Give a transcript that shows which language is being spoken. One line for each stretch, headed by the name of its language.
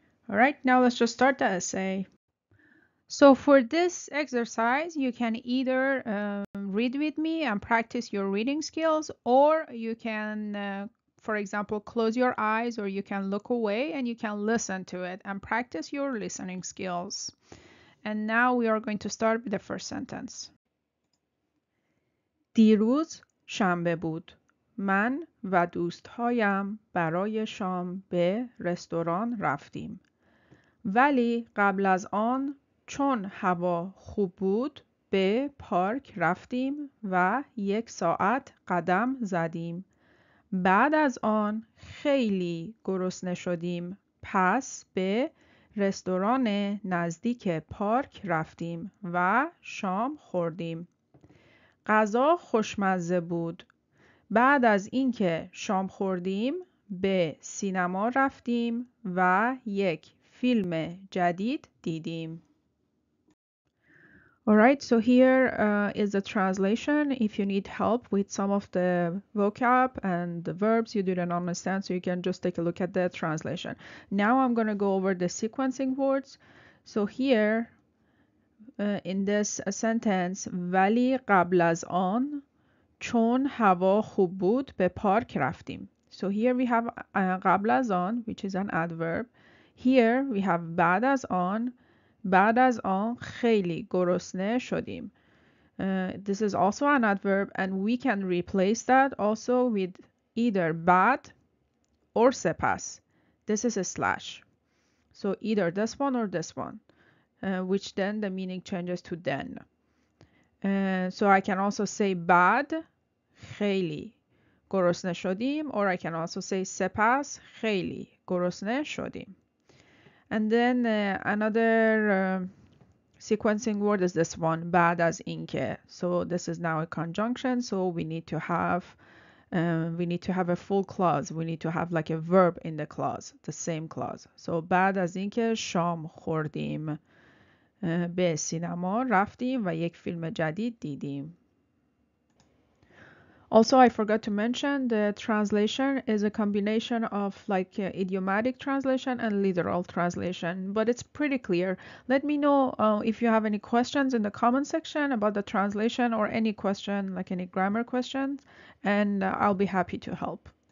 English: All right, now let's just start the essay. So for this exercise, you can either read with me and practice your reading skills, or you can for example, close your eyes or you can look away and you can listen to it and practice your listening skills. And now we are going to start with the first sentence.
Persian: دیروز شنبه بود من و دوستهایم برای شام به رستوران رفتیم. ولی قبل از آن چون هوا خوب بود به پارک رفتیم و یک ساعت قدم زدیم. بعد از آن خیلی گرسنه شدیم. پس به رستوران نزدیک پارک رفتیم و شام خوردیم. غذا خوشمزه بود. بعد از اینکه شام خوردیم به سینما رفتیم و یک فیلم جدید دیدیم.
English: Alright, so here is a translation. If you need help with some of the vocab and the verbs you didn't understand, so you can just take a look at the translation. Now I'm going to go over the sequencing words. So here, in this sentence,
Persian: ولی قبل از آن چون هوا خوب بود به پارک رفتیم.
English: So here we have
Persian: قبل از آن,
English: which is an adverb. Here we have
Persian: بعد از آن. بعد از آن خیلی گرسنه شدیم.
English: This is also an adverb and we can replace that also with either بعد or سپس. This is a slash. So either this one or this one. Which then the meaning changes to then. So I can also say
Persian: بعد خیلی گرسنه شدیم
English: or I can also say
Persian: سپس خیلی گرسنه شدیم.
English: And then another sequencing word is this one,
Persian: بعد از اینکه.
English: So this is now a conjunction. So we need to have a full clause. We need to have like a verb in the clause, the same clause.
Persian: So بعد از اینکه شام خوردیم به سینما رفتیم و یک فیلم جدید دیدیم.
English: Also, I forgot to mention the translation is a combination of like idiomatic translation and literal translation, but it's pretty clear. Let me know if you have any questions in the comment section about the translation or any question, like any grammar questions, and I'll be happy to help.